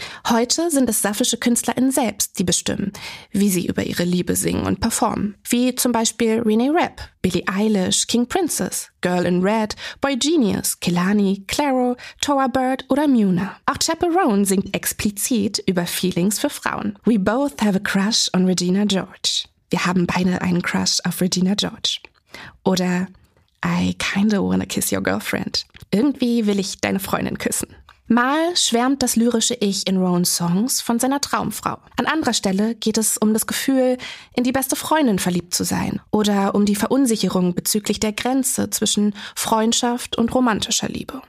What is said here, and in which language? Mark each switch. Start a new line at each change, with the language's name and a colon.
German: Heute sind es saffische KünstlerInnen selbst, die bestimmen, wie sie über ihre Liebe singen und performen. Wie zum Beispiel Renee Rapp, Billie Eilish, King Princess, Girl in Red, Boy Genius, Kehlani, Claro, Toa Bird oder Muna. Auch Chapel Roan singt explizit über Feelings für Frauen.
English: We both have a crush on Regina George.
German: Wir haben beide einen Crush auf Regina George. Oder
English: I kinda wanna kiss your girlfriend.
German: Irgendwie will ich deine Freundin küssen. Mal schwärmt das lyrische Ich in Roans Songs von seiner Traumfrau. An anderer Stelle geht es um das Gefühl, in die beste Freundin verliebt zu sein oder um die Verunsicherung bezüglich der Grenze zwischen Freundschaft und romantischer Liebe.